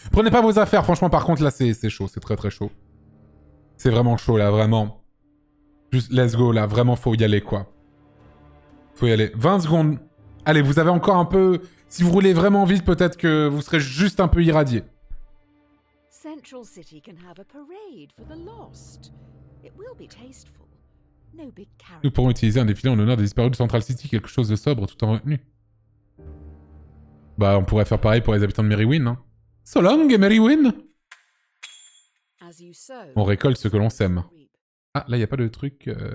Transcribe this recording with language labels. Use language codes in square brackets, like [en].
[fr] Prenez pas vos affaires, franchement, par contre, là, c'est chaud, c'est très très chaud. C'est vraiment chaud, là, vraiment. Juste, [en] let's go, [fr] là, vraiment, faut y aller, quoi. Faut y aller. 20 secondes. Allez, vous avez encore un peu... Si vous roulez vraiment vite, peut-être que vous serez juste un peu irradié. [en] Central City can have a parade for the lost. It will be tasteful. No big character. [fr] Nous pourrons utiliser un défilé en honneur des disparus de Central City, quelque chose de sobre, tout en retenue. Bah, on pourrait faire pareil pour les habitants de Merriwin, hein. [en] So long, Merriwin! [fr] On récolte ce que l'on sème. Ah, là, il n'y a pas de truc...